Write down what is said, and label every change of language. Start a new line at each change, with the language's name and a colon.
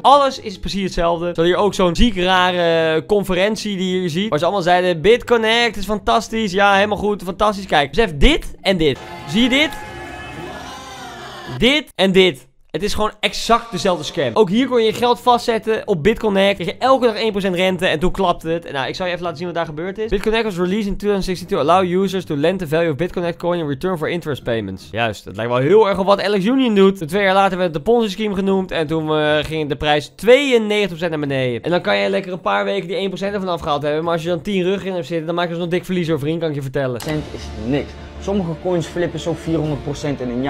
Dutch: Alles is precies hetzelfde. Ze hadden hier ook zo'n ziek rare conferentie die je hier ziet. Waar ze allemaal zeiden, BitConnect is fantastisch. Ja, helemaal goed. Fantastisch. Kijk, besef dit en dit. Zie je dit? Dit en dit. Het is gewoon exact dezelfde scam. Ook hier kon je je geld vastzetten op BitConnect. Kreeg je elke dag 1% rente en toen klapte het. Nou, ik zal je even laten zien wat daar gebeurd is.
English: BitConnect was released in 2016 to allow users to lend the value of BitConnect coin in return for interest payments.
Dutch: Juist, dat lijkt wel heel erg op wat Alex Union doet. Toen 2 jaar later werd het de Ponzi scheme genoemd en toen ging de prijs 92% naar beneden. En dan kan je lekker een paar weken die 1% ervan afgehaald hebben. Maar als je dan 10 rug in hebt zitten, dan maak je dus nog dik verlies, hoor, vriend, kan ik je vertellen. Cent is niks. Sommige coins flippen zo 400% in een jaar.